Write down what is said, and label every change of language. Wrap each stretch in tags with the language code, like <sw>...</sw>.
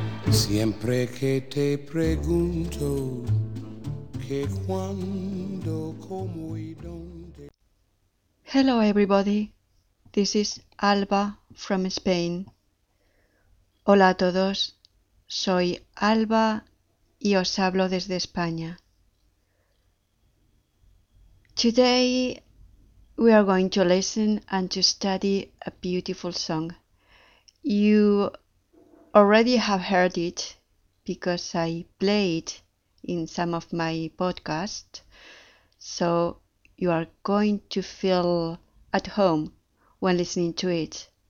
<es>Siempre que te pregunto que cuando, cómo y dónde.</es> <en>Hello everybody, this is Alba from Spain.</en> <es>Hola a todos, soy Alba y os hablo desde España.</es> <en>Today we are going to listen and to study a beautiful song. You already have heard it because I play it in some of my podcasts, so you are going to feel at home when listening to it.</en>